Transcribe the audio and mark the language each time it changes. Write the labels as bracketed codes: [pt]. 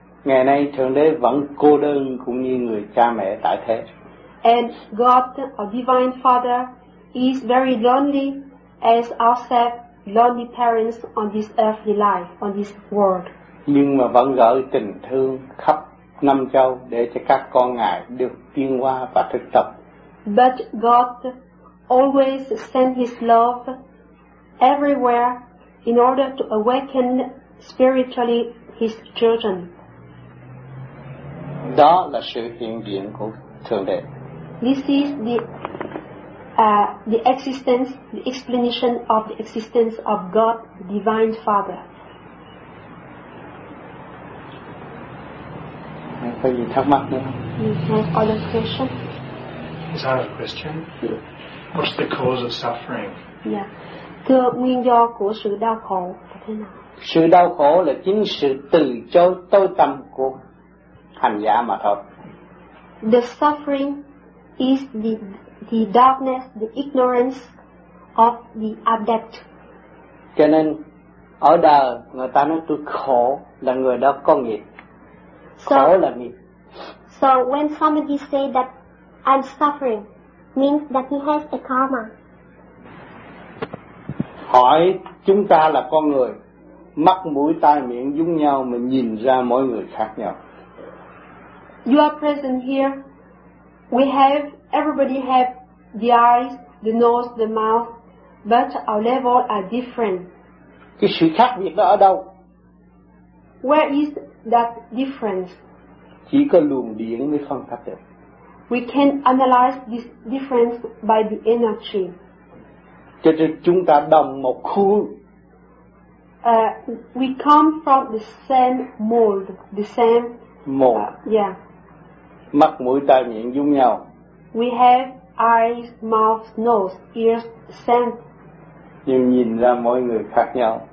[vi] Ngày nay Thượng Đế vẫn cô đơn cũng như người cha mẹ tại thế. [en] And God, our Divine Father, is very lonely as ourselves, lonely parents on this earthly life, on this world. [vi] Nhưng mà vẫn gửi tình thương khắp năm châu để cho các con Ngài được tiến hóa và thực tập. [en] But God always sends his love everywhere in order to awaken spiritually his children. [vi] Đó là sự hiện diện của Thượng Đế. [en] This is the existence, the explanation of the existence of God, Divine Father. [vi] Có gì thắc mắc nữa? [en] You have other questions? Is that a question? Yeah. What's the cause of suffering? Yeah. [vi] Thưa, nguyên do của sự đau khổ là thế nào? Sự đau khổ là chính sự từ chối tối tâm của hành giả mà thôi. [en] The suffering is the darkness, the ignorance of the adept. [vi] Cho nên ở đời người ta nói tôi khổ là người đó có nghiệp. Khổ là nghiệp. [en] So when somebody say that I'm suffering, means that he has a karma. [vi] Hỏi chúng ta là con người, mắt mũi tai miệng giống nhau mà nhìn ra mỗi người khác nhau. [en] You are present here. We have, everybody have the eyes, the nose, the mouth, but our level are different. [vi] Cái sự khác biệt đó ở đâu? [en] Where is that difference? [vi] Chỉ có luồng điện mới phân tách được. [en] We can analyze this difference by the energy. [vi] Cho nên chúng ta đồng một khuôn. [en] We come from the same mold, the same mold. [vi] Mắt mũi tai miệng giống nhau. [en] We have eyes, mouth, nose, ears, scent. [vi] Nhưng nhìn ra mỗi người khác nhau.